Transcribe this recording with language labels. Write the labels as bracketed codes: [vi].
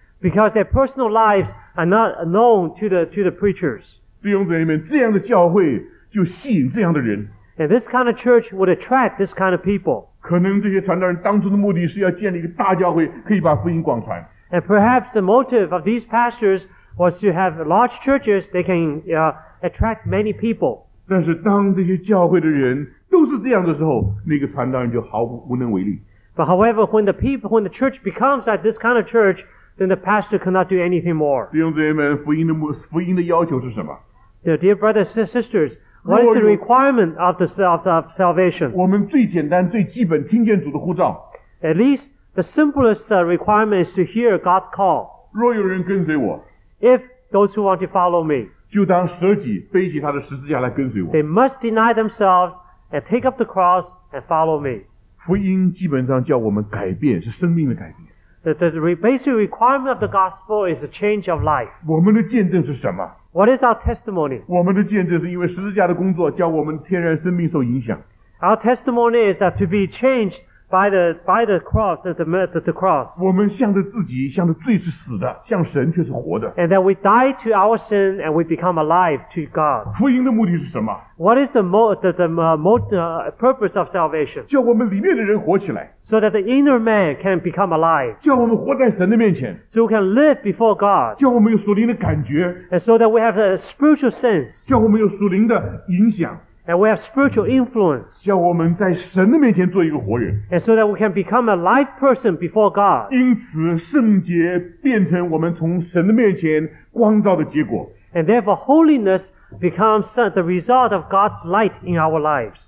[en] Because their personal lives are not known to the preachers. [zh] 弟兄姊妹们，这样的教会就吸引这样的人。 [en] And this kind of church would attract this kind of people. And perhaps the motive of these pastors was to have large churches they can attract many people. [zh] 但是当这些教会的人都是这样的时候，那个传道人就毫无能为力。 [en] But however, when the church becomes like this kind of church, then the pastor cannot do anything more. [zh] 弟兄姊妹们，福音的要求是什么？ [en] Dear brothers and sisters, what is the requirement of the salvation? [zh] 我们最简单最基本听见主的呼召。 [en] At least the simplest requirement is to hear God's call. [zh] 若有人跟随我, [en] if those who want to follow me, [zh] 就当舍己背起他的十字架来跟随我。 [en] They must deny themselves and take up the cross and follow me. [zh] 福音基本上叫我们改变，是生命的改变。 [en] The basic requirement of the gospel is a change of life. [zh] 我们的见证是什么？ [en] What is our testimony? [zh] 我们的见证是因为十字架的工作，叫我们天然生命受影响。 [en] Our testimony is that to be changed by the cross, the cross. [zh] 我们向着自己，向着罪是死的，向神却是活的。 [en] And that we die to our sin and we become alive to God. [zh] 福音的目的是什么？ [en] What is the purpose of salvation? [zh] 叫我们里面的人活起来。 [en] So that the inner man can become alive. [zh] 叫我们活在神的面前。 [en] So we can live before God. [zh] 叫我们有属灵的感觉。 [en] And so that we have a spiritual sense. [zh] 叫我们有属灵的影响。 [en] And we have spiritual influence. [zh] 叫我们在神的面前做一个活人。 [en] And so that we can become a live person before God. [zh] 因此圣洁变成我们从神的面前光照的结果。 [en] And therefore holiness becomes the result of God's light in our lives.